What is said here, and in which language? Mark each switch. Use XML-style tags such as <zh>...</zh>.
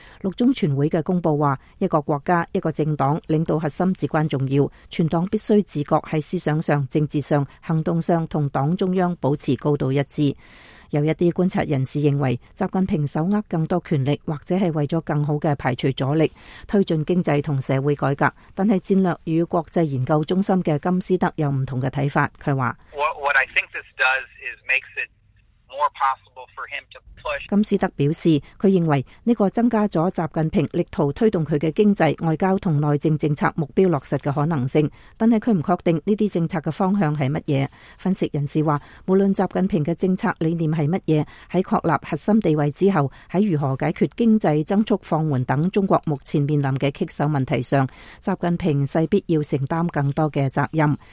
<zh>六中全会的公布说，一个国家、一个政党领导核心至关重要，全党必须自觉在思想上、政治上、行动上和党中央保持高度一致。有一些观察人士认为，习近平手握更多权力，或者是为了更好的排除阻力，推进经济和社会改革。但是战略与国际研究中心的金斯德有不同的看法，他说</zh> <en>What I think this does is makes it more possible for him to push.</en> <zh>金斯德表示，他认为这个增加了习近平力图推动他的经济、外交和内政政策目标落实的可能性，但是他不确定这些政策的方向是什么。分析人士说，无论习近平的政策理念是什么，在确立核心地位之后，在如何解决经济增速放缓等中国目前面临的棘手问题上，习近平势必要承担更多的责任。</zh>